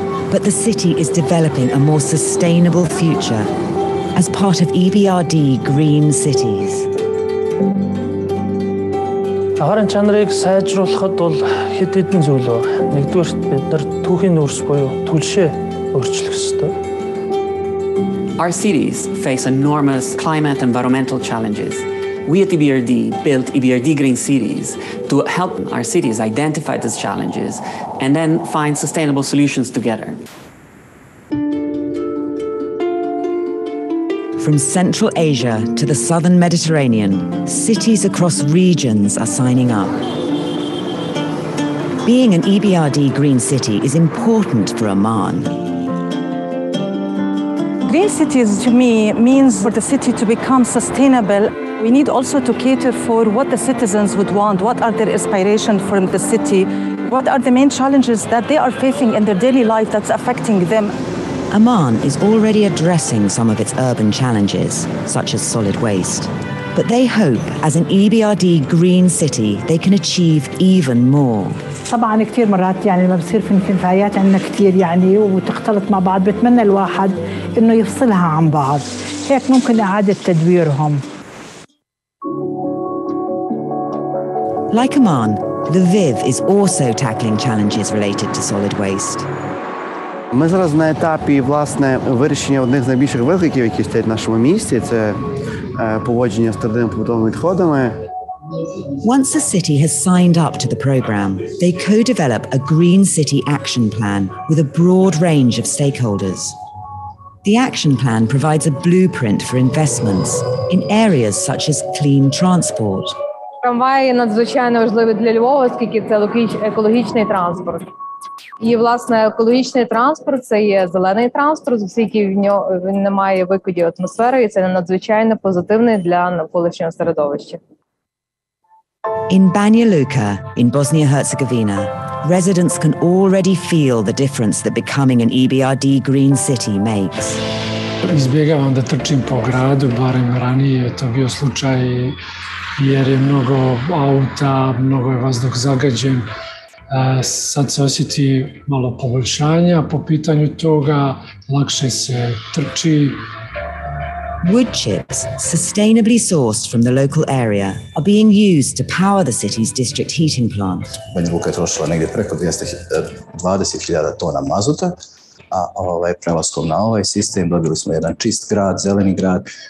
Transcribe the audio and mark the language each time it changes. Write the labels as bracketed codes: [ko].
[en] But the city is developing a more sustainable future as part of EBRD Green Cities. [mn] Агаарын чанарыг сайжруулахад бол хэд хэдэн зүйл байна. Нэгдүгээр нь бид нар түүхийн нөөц буюу түлшээ өөрчлөх ёстой. [en] Our cities face enormous climate and environmental challenges. We at EBRD built EBRD Green Cities to help our cities identify these challenges and then find sustainable solutions together. From Central Asia to the Southern Mediterranean, cities across regions are signing up. Being an EBRD Green City is important for Amman. Green cities to me means for the city to become sustainable. We need also to cater for what the citizens would want, what are their aspirations from the city, what are the main challenges that they are facing in their daily life that's affecting them. Amman is already addressing some of its urban challenges, such as solid waste. But they hope, as an EBRD green city, they can achieve even more. [ar] طبعا كثير مرات يعني لما بصير في انتفاعات عندنا كثير يعني وتختلط مع بعض بتمنى الواحد انه يفصلها عن بعض هيك ممكن اعاده تدويرهم. [en] Like Amman, Lviv is also tackling challenges related to solid waste. [uk] Ми зараз на етапі власне вирішення одних з найбільших викликів, які стоять в нашому місті, це поводження з твердими побутовими відходами. [en] Once a city has signed up to the program, they co-develop a Green City Action Plan with a broad range of stakeholders. The Action Plan provides a blueprint for investments in areas such as clean transport. [uk] Трамвай є надзвичайно важливий для Львова, оскільки це екологічний транспорт. І, власне, екологічний транспорт – це є зелений транспорт, оскільки він не має викидів атмосфери, і це надзвичайно позитивний для навколишнього середовища. [en] In Banja Luka, in Bosnia-Herzegovina, residents can already feel the difference that becoming an EBRD green city makes. [sr] Избегавам да трчим по граду, барем ранее то био случај, јер је много аута, много је ваздух загађен. Сад се осети мало побољшања по питању тога, лакше се трчи. [en] Wood chips, sustainably sourced from the local area, are being used to power the city's district heating plant. [sr] Banja Luka je trošila negde preko 20.000 tona mazuta, a prelaskom na ovaj sistem dobili smo jedan čist grad, zeleni grad,